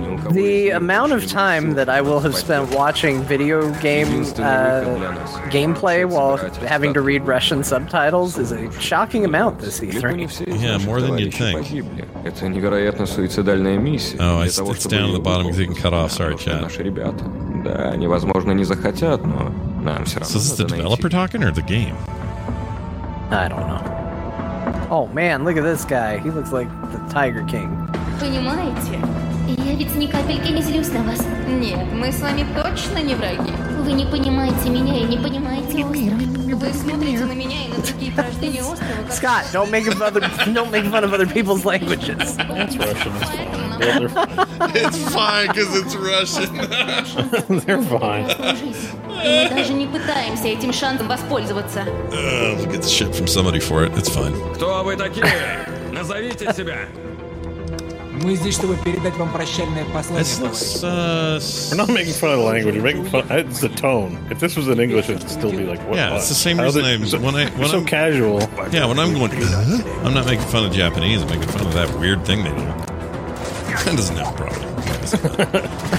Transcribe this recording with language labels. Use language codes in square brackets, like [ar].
[en] The amount of time that I will have spent watching video game gameplay while having to read Russian subtitles is a shocking amount this E3. Yeah, more than you'd think. It's down at the bottom because you can cut off. Sorry, chat. [ru] Невозможно, не захотят, но нам все равно. [en] So is this the developer talking or the game? I don't know. Oh man, look at this guy. He looks like the Tiger King. [ru] Я ведь ни капельки не злюсь на вас. Нет, мы с вами точно не враги. Вы не понимаете меня и не понимаете острова. Вы смотрите на меня и на другие граждане острова. Как... [en] Scott, don't make fun of other people's languages. It's Russian. It's fine because it's Russian. They're fine. [ru] Мы даже не пытаемся этим шансом воспользоваться. [en] We'll get the shit from somebody for it. It's fine. [ru] Кто вы такие? Назовите себя. Мы здесь, чтобы передать вам прощальное послание. [en] We're not making fun of the language. We're making fun. It's the tone. If this was in English, it'd still be like, what? Yeah, it's the same reason I'm when so casual. Yeah, when I'm going, I'm not making fun of Japanese. I'm making fun of that weird thing they do. That doesn't have a problem.